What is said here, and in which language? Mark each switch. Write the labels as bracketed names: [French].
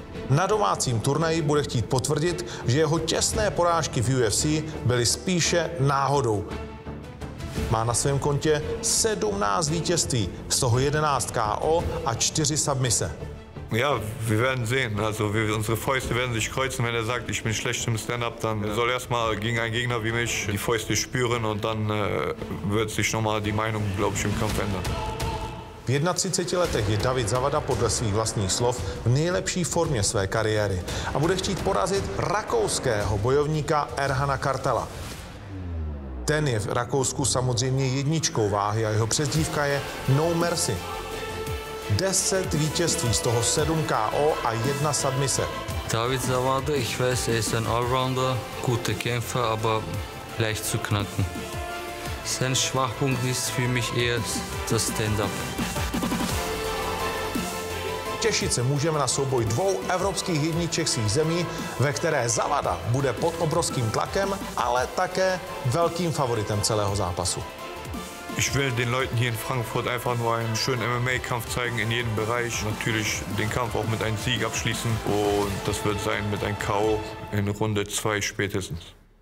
[Czech] Na domácím turnaji bude chtít potvrdit, že jeho těsné porážky v UFC byly spíše náhodou. Má na svém kontě 17 vítězství, z toho 11 KO a 4 submise. [German] Ja, wir werden sehen. Also wir, unsere Fäuste werden sich kreuzen. Wenn er sagt, ich bin schlecht im Stand-up, dann soll erstmal gegen einen Gegner wie mich die Fäuste spüren und dann wird sich nochmal die Meinung, glaube ich, im Kampf ändern. [Czech] V 31 letech je David Zawada podle svých vlastních slov v nejlepší formě své kariéry a bude chtít porazit rakouského bojovníka Erhana Kartala. Ten je v Rakousku samozřejmě jedničkou váhy a jeho přezdívka je No Mercy. 10 vítězství, z toho 7 KO a 1 submise. [German] David Zawada, ich weiß, er ist ein Allrounder, guter Kämpfer, aber leicht zu knacken. Sein Schwachpunkt ist für mich eher das Stand-up. [Czech] Těšit se můžeme na souboj dvou evropských jedniček svých zemí, ve které Zawada bude pod obrovským tlakem, ale také velkým favoritem celého zápasu. [German] Ich will den Leuten hier in Frankfurt einfach nur einen schönen MMA-Kampf zeigen in jedem Bereich. Natürlich den Kampf auch mit einem Sieg abschließen und das wird sein mit einem KO in Runde 2 spätestens.